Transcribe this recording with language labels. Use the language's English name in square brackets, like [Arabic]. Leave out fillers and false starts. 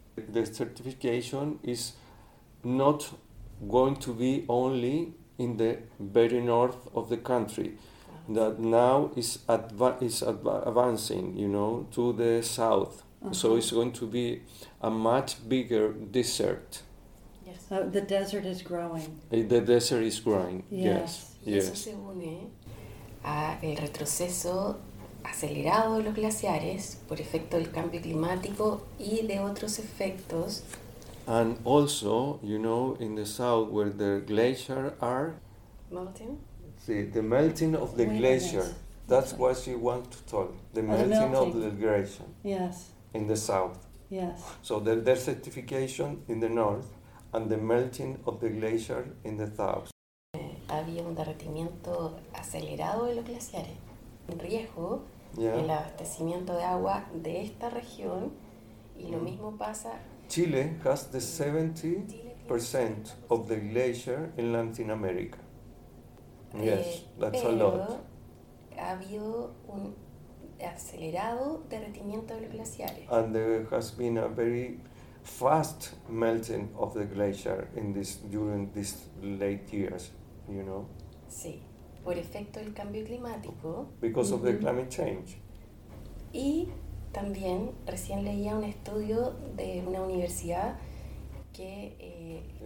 [English] The desertification is not going to be only in the very north of the country, that now is advancing, you know, to the south. Uh-huh. So it's going to be a much bigger desert. Yes. So the desert is growing. The desert is growing, yes. Yes. [Spanish] Y eso se une a el retroceso acelerado de los glaciares por efecto del cambio climático y de otros efectos. [English] And also, you know, in the south where the glaciers are. Melting? See, the melting of the glacier. That's what you want to talk. The melting of the glacier. Yes. In the south. Yes. So the desertification in the north and the melting of the glacier in the south. [Spanish] Había un derretimiento acelerado de los glaciares. En riesgo el abastecimiento de agua de esta región. Y lo mismo pasa. [English] Chile has the 70% of the glacier in Latin America. Yes, that's [Spanish] pero [English] a lot. [Spanish] Ha habido un acelerado derretimiento de los glaciares. [English] And there has been a very fast melting of the glacier during these late years, you know. [Spanish] Sí, por efecto del cambio climático. [English] Because of the climate change. [Spanish] Y también recién leía un estudio de una universidad que